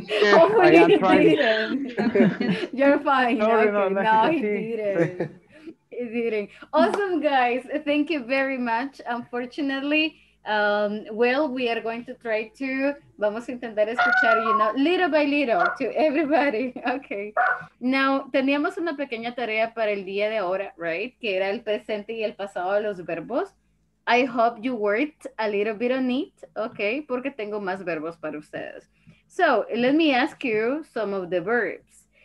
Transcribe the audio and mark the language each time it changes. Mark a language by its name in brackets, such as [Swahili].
[English] Hopefully he didn't. You're fine. No, he didn't. Awesome, guys. Thank you very much. Unfortunately, well, we are going to try to, [Spanish] vamos a intentar escuchar, [English] you know, little by little to everybody. Okay. [Spanish] Now, teníamos una pequeña tarea para el día de ahora, [English] right? [Spanish] Que era el presente y el pasado de los verbos. [English] I hope you worked a little bit on it, okay? [Spanish] Porque tengo más verbos para ustedes. [English] So, let me ask you some of the verbs.